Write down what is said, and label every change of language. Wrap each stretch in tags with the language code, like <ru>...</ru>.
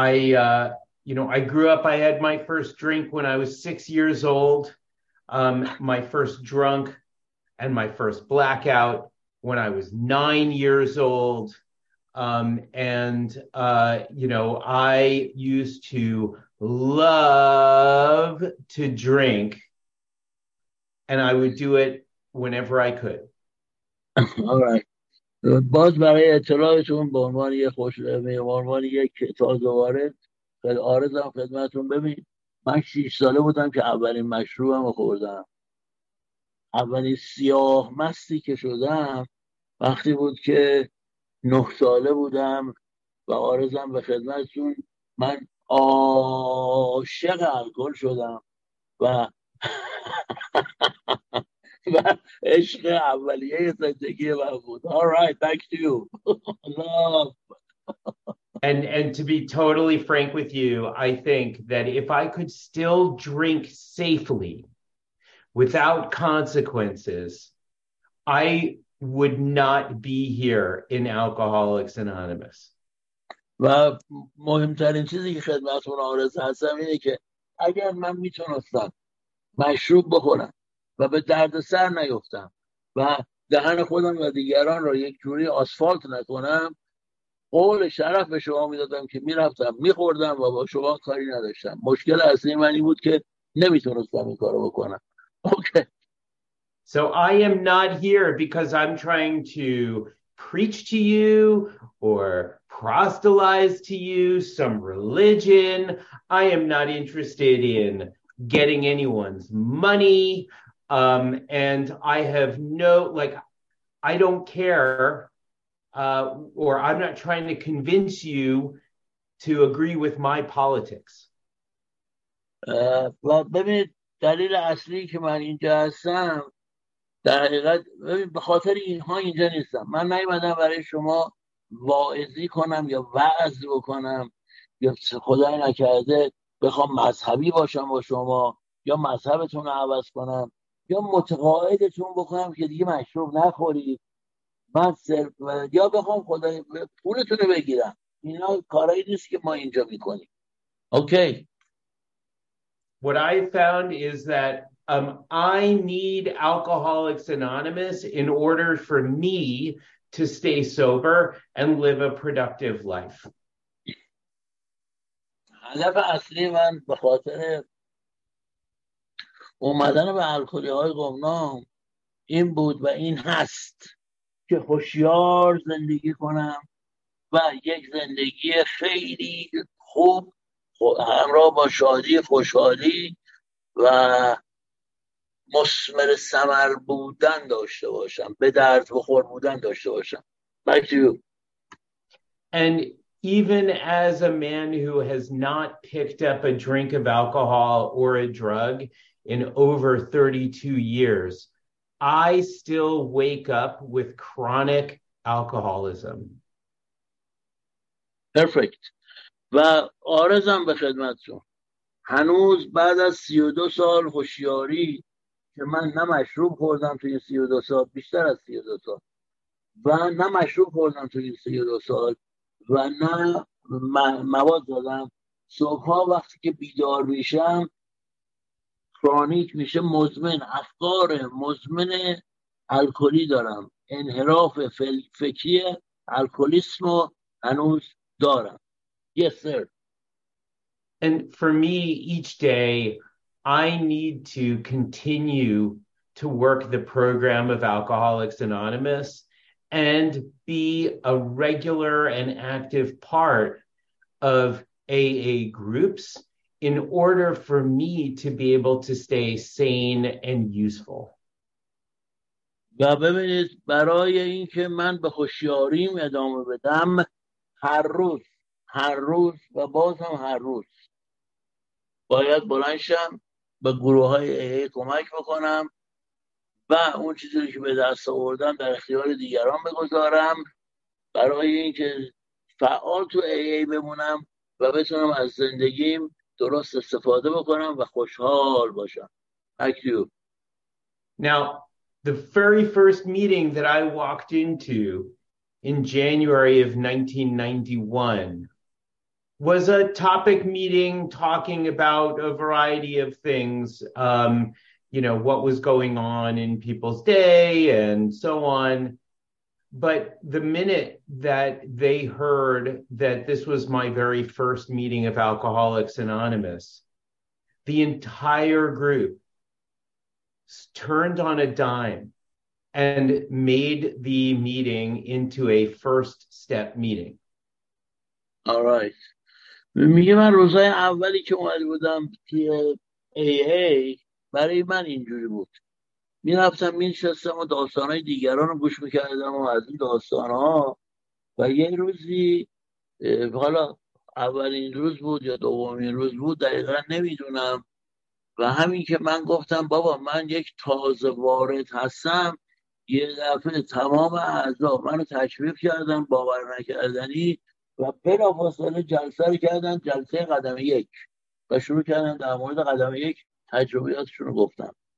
<en>I grew up, I had my first drink when I was 6 years old, my first drunk and my first blackout when I was 9 years old. I used to love to drink, and I would do it whenever I could. All right.</en> <fa>باز برای اطلاعتون به عنوان یک خوش به عنوان یک تازه وارد عارضم خدمتون، ببین من 6 ساله بودم که اولین مشروبم رو خوردم. اولین سیاه مستی که شدم وقتی بود که 9 ساله بودم و عارضم به خدمتون، من عاشق الکل شدم و و عشق اولیه زندگی من بود.</fa> <en>All right, back to you. And to be totally frank with you, I think that if I could still drink safely without consequences, I would not be here in Alcoholics Anonymous.</en> <fa>و مهمترین چیزی که خدمتتون عارض هستم اینه که اگر من میتونستم مشروب بخورم و به درد سر نیفتم و دهن خودم و دیگران را یک جوری آسفالت نکنم، قول شرف به شما میدادم که میرفتم میخوردم و با شما کاری نداشتم. مشکل اصلی من این بود که نمیتونستم این کارو بکنم.</fa> <en>Okay. So I am not here because I'm trying to preach to you or proselytize to you some religion. I am not interested in getting anyone's money. And I have no, like, I don't care, or I'm not trying to convince you to agree with my politics.</en> <fa>و ببینید دلیل اصلی که من اینجا هستم در حقیقت به خاطر اینها اینجا نیستم. من نیومدم برای شما واعظی کنم یا وعظ بکنم یا خدای نکرده بخوام مذهبی باشم با شما یا مذهبتون رو عوض کنم یا متقاعدتون بکنم که دیگه مشروب نخورید من صرف... یا بخوام خدای پولتون رو بگیرم. اینا کارهایی نیست که ما اینجا میکنیم.</fa> <en>Okay. What I found is that I need Alcoholics Anonymous in order for me to stay sober and live a productive life.</en> <fa>هدف اصلی من به خاطر اومدن به الکلی‌های گمنام این بود و این هست که هوشیار زندگی کنم و یک زندگی خیلی خوب همراه با شادی خوشحالی و مسمر ثمر بودن داشته باشم، به درد بخور بودن داشته باشم.</fa> <en>Back to you. And even as a man who has not picked up a drink of alcohol or a drug in over 32 years, I still wake up with chronic alcoholism. Perfect.</en> <fa>و آرزم به خدمتتون هنوز بعد از 32 سال هوشیاری که من نه مشروب خوردم توی 32 سال، بیشتر از 32 سال، و نه مشروب خوردم توی 32 سال و نه مواد دادم، صبح ها وقتی که بیدار میشم کرونیک میشه، مزمن افکار مزمن الکلی دارم، انحراف فکری الکلیسم رو هنوز دارم.</fa> <en>Yes, sir. And for me, each day, I need to continue to work the program of Alcoholics Anonymous and be a regular and active part of AA groups in order for me to be able to stay sane and useful.</en> <fa>و ببینید برای اینکه من به خوشیاریم ادامه بدم هر روز و باز هم هر روز باید بلند شم به گروه های AA کمک بکنم و اون چیزی که به دست آوردم در اختیار دیگران بگذارم برای اینکه فعال تو AA بمونم و بتونم از زندگیم درست استفاده بکنم و خوشحال باشم.</fa> <en>Thank you. Now, the very first meeting that I walked into in January of 1991 was a topic meeting talking about a variety of things, you know, what was going on in people's day and so on. But the minute that they heard that this was my very first meeting of Alcoholics Anonymous, the entire group turned on a dime and made the meeting into a first step meeting. All right.</en> <fa>میگه من روزای اولی که اومده بودم توی AA برای من اینجوری بود. میرفتم میشستم و داستانهای دیگران رو گوش میکردم و از این داستانها و یه روزی، حالا اولین روز بود یا دومین روز بود دقیقا نمیدونم، و همین که من گفتم بابا من یک تازه وارد هستم، یه دفعه تمام اعضا منو تشویق کردن، باور نکردنی، و بلافاصله جلسه رو کردن جلسه قدم یک و شروع کردن در مورد قدم یک تجربیاتشون رو گفتن.</fa>